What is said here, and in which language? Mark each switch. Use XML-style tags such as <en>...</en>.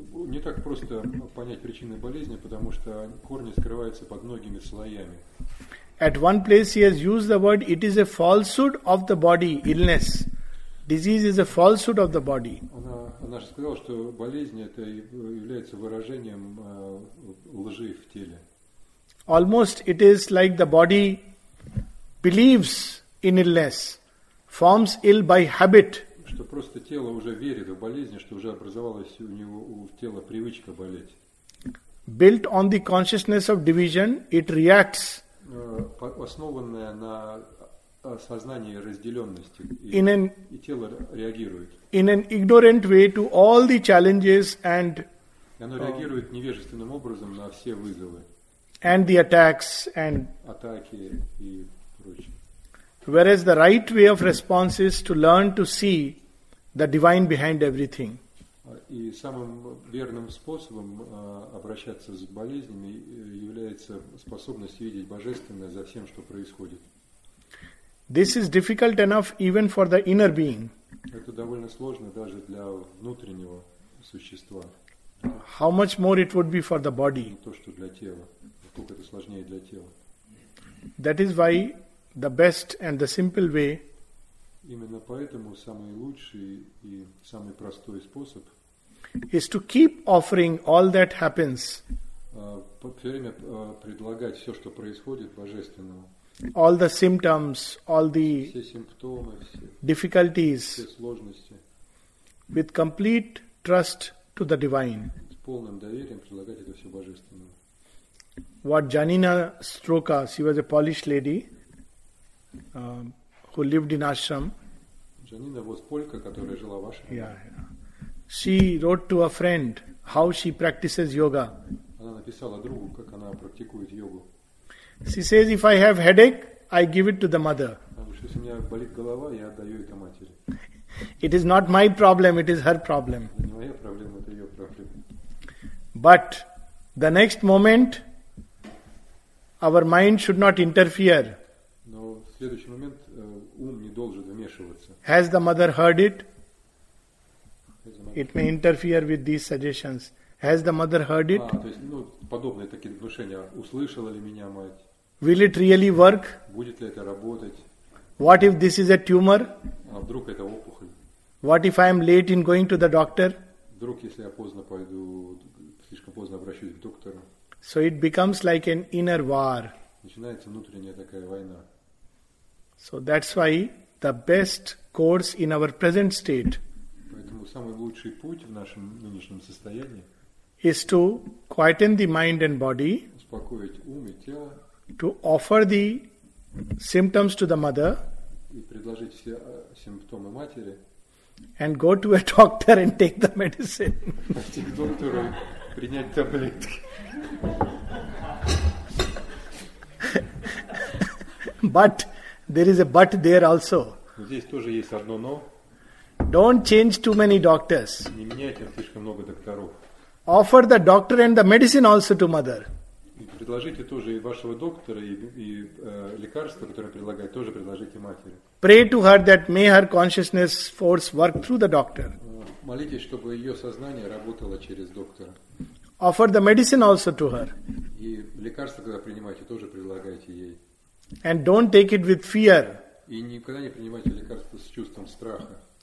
<ru>Не так просто понять причины болезни, потому что корни скрываются под многими слоями.</ru> <en>At one place he has used the word, it is a falsehood of the body, illness. Disease is a falsehood of the body.</en> <ru>Она же сказала, что болезнь это является выражением лжи в теле.</ru> <en>Almost it is like the body believes in illness, forms ill by habit.</en> <ru>Что просто тело уже верит в болезнь, что уже образовалась у него в теле привычка болеть.</ru> <en>Built on the consciousness of division, it reacts.</en> <ru>Основанное на сознании разделенности и тело реагирует.</ru> <en>In an ignorant way to all the challenges and.</en> <ru>И оно реагирует невежественным образом на все вызовы.</ru> <en>And the attacks and.</en> <ru>Атаки и прочее.</ru> <en>Whereas the right way of response is to learn to see the divine behind everything.</en> <ru>И самым верным способом обращаться с болезнями является способность видеть божественное за всем, что происходит.</ru> <en>This is difficult enough even for the inner being.</en> <ru>Это довольно сложно даже для внутреннего существа.</ru> <en>How much more it would be for the body?</en> <ru>То, что для тела. Насколько это сложнее для тела.</ru> <en>That is why the best and the simple way.</en> <ru>Именно поэтому самый лучший и самый простой способ</ru> <en>is to keep offering all that happens.</en> <ru>Все время предлагать все, что происходит, божественному.</ru> <en>All the symptoms, all the</en> <ru>все симптомы, все</ru> <en>difficulties,</en> <ru>все сложности,</ru> <en>with complete trust to the divine.</en> <ru>С полным доверием предлагать это все божественному.</ru> <en>What Janina Stroka, she was a Polish lady who lived in ashram. Janina was Polka,</en> <ru>которая жила в ашраме.</ru> <en>Yeah, yeah. She wrote to a friend how she practices yoga.</en> <ru>Она написала другу, как она практикует йогу.</ru> <en>She says, if I have headache, I give it to the mother.</en> <ru>Если у меня болит голова, я отдаю это матери.</ru> <en>It is not my problem, it is her problem.</en> <ru>Не моя проблема, это ее проблема.</ru> <en>But the next moment, our mind should not interfere.</en> <ru>Но в следующий момент ум не должен вмешиваться.</ru> <en>Has the mother heard it? It may interfere with these suggestions. Has the mother heard it?</en> <ru>То есть, ну, подобные такие внушения. Услышала ли меня мать?</ru> <en>Will it really work?</en> <ru>Будет ли это работать?</ru> <en>What if this is a tumor?</en> <ru>А вдруг это опухоль?</ru> <en>What if I am late in going to the doctor?</en> <ru>Вдруг, если я поздно пойду, слишком поздно обращусь к доктору?</ru> <en>So it becomes like an inner war.</en> <ru>Начинается внутренняя такая война.</ru> <en>So that's why the best course in our present state.</en> <ru>Поэтому самый лучший путь в нашем нынешнем состоянии.</ru> <en>Is to quieten the mind and body.</en> <ru>Успокоить ум и тело.</ru> <en>To offer the symptoms to the mother.</en> <ru>И предложить все симптомы матери.</ru> <en>And go to a doctor and take the medicine.</en> <ru>Пойти к доктору, принять таблетки.</ru> <en>But there is a but there also.</en> <ru>Здесь тоже есть одно но.</ru> <en>Don't change too many doctors.</en> <ru>Не меняйте слишком много докторов.</ru> <en>Offer the doctor and the medicine also to mother.</en> <ru>Предложите тоже и вашего доктора и лекарство, которое предлагает, тоже предложите матери.</ru> <en>Pray to her that may her consciousness force work through the doctor.</en> <ru>Молитесь, чтобы ее сознание работало через доктора.</ru> <en>Offer the medicine also to her.</en> <ru>И лекарство, когда принимаете, тоже предлагайте ей.</ru> <en>And don't take it with fear.</en> <ru>И никогда не принимайте лекарство с чувством страха.</ru>